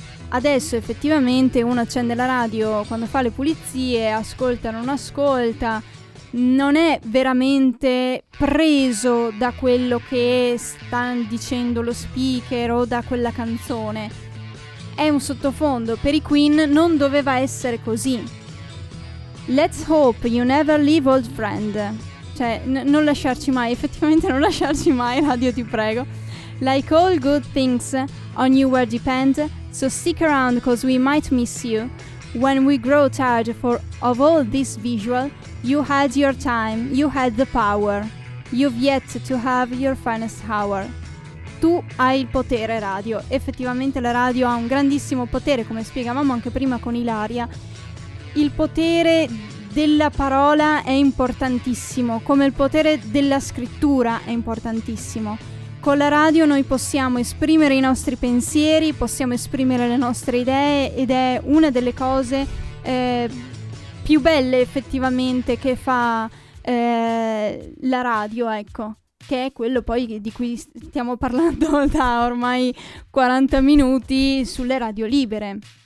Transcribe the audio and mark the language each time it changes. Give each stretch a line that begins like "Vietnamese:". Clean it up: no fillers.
Italian: Adesso effettivamente uno accende la radio quando fa le pulizie, ascolta, non ascolta, non è veramente preso da quello che sta dicendo lo speaker o da quella canzone. È un sottofondo, per i Queen non doveva essere così.
English: Let's hope you never leave old friend.
Italian: Cioè, non lasciarci mai, effettivamente non lasciarci mai, radio, ti prego.
English: Like all good things, on you will depend, so stick around cause we might miss you. When we grow tired of all this visual, You had your time, you had the power. You've yet to have your finest hour.
Italian: Tu hai il potere, radio. Effettivamente la radio ha un grandissimo potere, come spiegavamo anche prima con Ilaria. Il potere della parola è importantissimo, come il potere della scrittura è importantissimo. Con la radio noi possiamo esprimere i nostri pensieri, possiamo esprimere le nostre idee, ed è una delle cose più belle effettivamente che fa la radio, ecco, che è quello poi di cui stiamo parlando da ormai 40 minuti sulle radio libere.